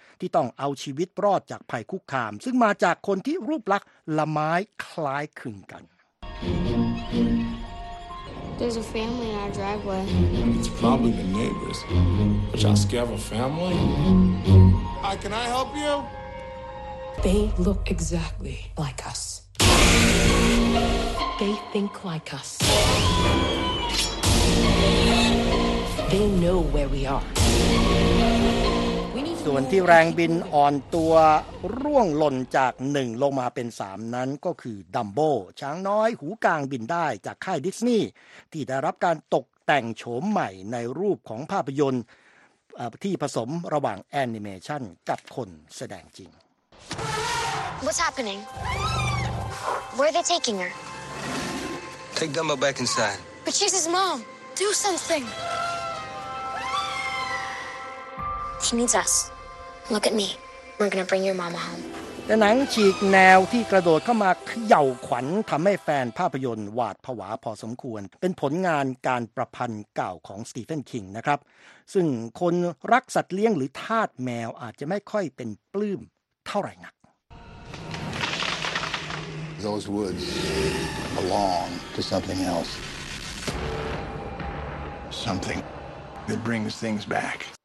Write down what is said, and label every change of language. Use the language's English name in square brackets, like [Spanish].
[Thai] ที่ต้องเอาชีวิตรอดจากภัยคุกคามซึ่งมาจากคนที่รูปลักษณ์ละไม้คล้ายคลึงกัน [English] There's a family in our driveway It's probably the neighbors But y'all scared of a family Hi, can I help you? They look exactly like us They think like usThey know where we are. [Thai] ส่วนที่แรงบินอ่อนตัวร่วงหล่นจาก1ลงมาเป็น3นั้นก็คือดัมโบช้างน้อยหูกลางบินได้จากค่ายดิสนีย์ที่ได้รับการตกแต่งโฉมใหม่ในรูปของภาพยนตร์ที่ผสมระหว่างแอนิเมชันกับคนแสดงจริง [English] What's happening? Where are they taking her? Take Dumbo back inside. But she's his mom. Do something. She needs us. Look at me. We're gonna bring your mama home. [Thai] หนังฉีกแนวที่กระโดดเข้ามาเขย่าขวัญทำให้แฟนภาพยนตร์หวาดผวาพอสมควรเป็นผลงานการประพันธ์เก่าของสตีเฟนคิงนะครับซึ่งคนรักสัตว์เลี้ยงหรือทาสแมวอาจจะไม่ค่อยเป็นปลื้มเท่าไหร่นัก [English] Those woods belong to something else. Something that brings things back.